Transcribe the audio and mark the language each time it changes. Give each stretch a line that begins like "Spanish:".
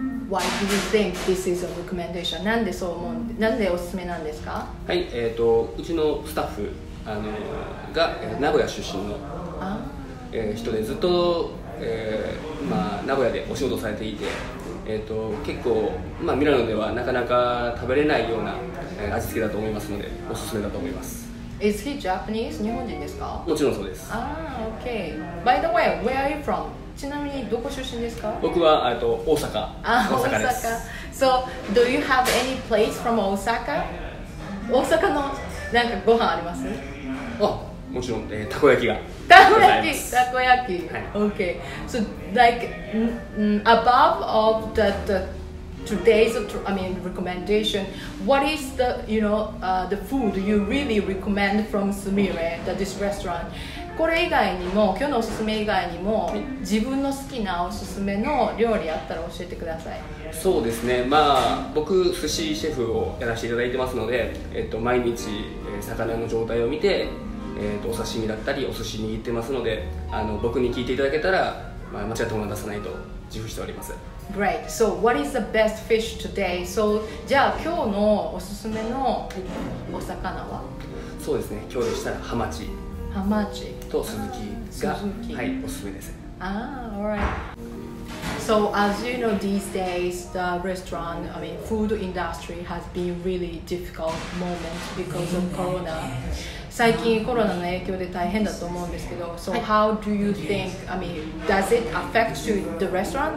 English: Why do you think this is a recommendation?
Japanese: なんでそう思う、なんでおすすめなんですか？はい、うちのスタッフ、が名古屋出身の、人でずっと、まあ、名古屋でお仕事されていて、結構、まあ、ミラノではなかなか食べれないような味付けだと思いますので、おすすめだと思います。
English: Is he Japanese?
Japanese: 日本人ですか？もちろんそうです。
English: Ah, okay. By the way, where are you from?
Japanese: ちなみにどこ出身ですか？僕は大阪。あ、大阪です。大阪。
English: So, do you have any place from Osaka?
Japanese: 大阪のなんかご飯あります？あ、もちろん、たこ焼きが。たこ焼き。はい。Okay.
English: So, like, above of that today's recommendation, what is the, you know, the food you really recommend from Sumire, this restaurant?
Japanese: これ以外にも、今日のおすすめ以外にも、自分の好きなおすすめの料理あったら教えてください。そうですね、まあ、僕、寿司シェフをやらせていただいてますので、毎日、魚の状態を見て、お刺身だったりお寿司握ってますので、僕に聞いていただけたら、まあ、間違ったものは出さないと自負しております。
English: Great. So, what is the best fish today?
Japanese: So, じゃあ今日のおすすめのお魚は？そうですね、今日でしたらハマチ。ハマチとスズキが、はい、おすすめです。
English: Ah, alright. So as you know, these days the restaurant, I mean, food industry has been really difficult moment because of Corona.
Japanese: 最近コロナの影響で大変だと思うんですけど、
English: So how do you think? I mean, does it affect you the restaurant?